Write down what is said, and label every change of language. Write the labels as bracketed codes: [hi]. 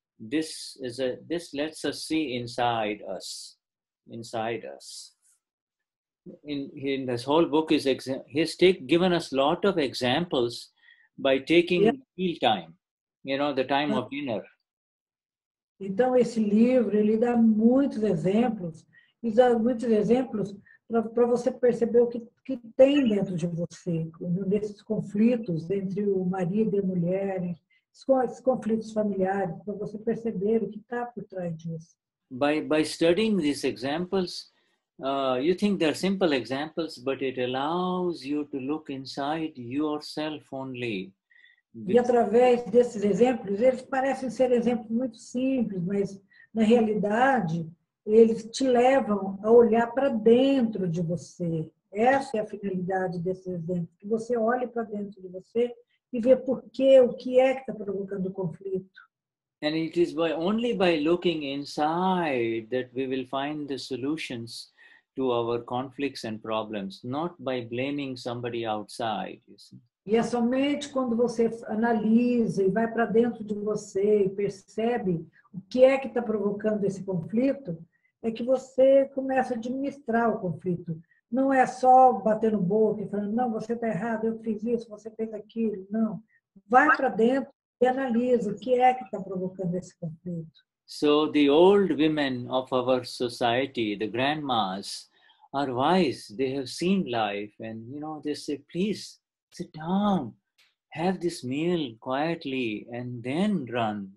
[en] This lets us see inside us. In this whole book is he has given us a lot of examples by taking meal time, you know, the time of dinner. [pt] Então, esse livro, ele dá muitos exemplos. E dá muitos exemplos para você perceber o que tem dentro de você. Nesses conflitos entre o marido e a mulher. Esses conflitos familiares, para você perceber o que está por trás disso. [en] By studying these examples, you think they're simple examples, but it allows you to look inside yourself only. [pt] E através desses exemplos, eles parecem ser exemplos muito simples, mas na realidade, eles te levam a olhar para dentro de você. Essa é a finalidade desses exemplos, que você olhe para dentro de você e vê por quê, o que é que está provocando o conflito. [en] And it is only by looking inside that we will find the solutions to our conflicts and problems, not by blaming somebody outside, you see. [pt] E é somente quando você analisa e vai para dentro de você e percebe o que é que está provocando esse conflito, é que você começa a administrar o conflito. Não é só batendo boca e falando, não, você está errado, eu fiz isso, você fez aquilo. Não. Vai para dentro e analisa o que é que está provocando esse conflito. [en] So the old women of our society, the grandmas, are wise. They have seen life and, you know, they say, please, sit down, have this meal quietly, and then run.